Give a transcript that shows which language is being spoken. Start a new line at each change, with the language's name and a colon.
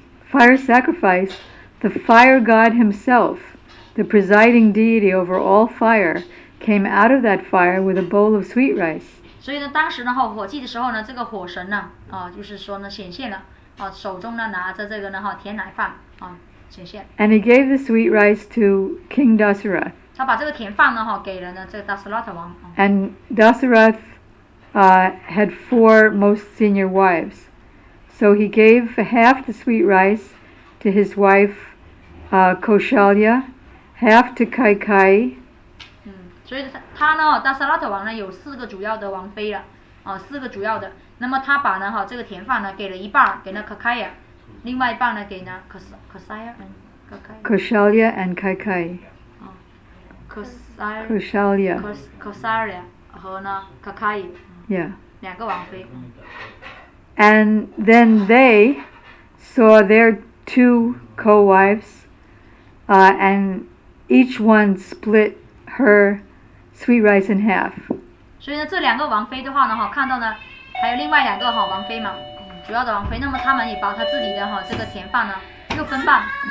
English: fire sacrifice, the fire god himself, the presiding deity over all fire, came out of that fire with a bowl of sweet rice.
Chinese: 所以呢，当时呢，哈，火祭的时候呢，这个火神呢，啊，就是说呢，显现了，啊，手中呢拿着这个呢，哈，甜奶饭，啊，显现。
English: And he gave the sweet rice to King Dasarath.
Chinese: 他把这个甜饭呢，哈，给了呢这个 Dasarath 王。
English: And Dasarath, had four most senior wives, so he gave half the sweet rice to his wife, Kaushalya, half to Kaikeyi.
Chinese: 所以他呢，达斯拉特王呢有四个主要的王妃了，啊，四个主要的。那么他把呢哈这个甜饭呢给了一半给那可凯亚，另外一半呢给那可塞亚，
English: 可凯。Kaushalya and Kaikeyi。啊， Kaushalya。
Chinese: Kaushalya 和呢可凯。
English: Yeah。
Chinese: 两个王妃。
English: And then they saw their two co-wives, and each one split. Her sweet rice in half.
Chinese: 所以呢，这两个王妃的话呢，哈，看到呢，还有另外两个哈王妃嘛，主要的王妃，那么他们也把他自己的哈这个甜饭呢，又分半。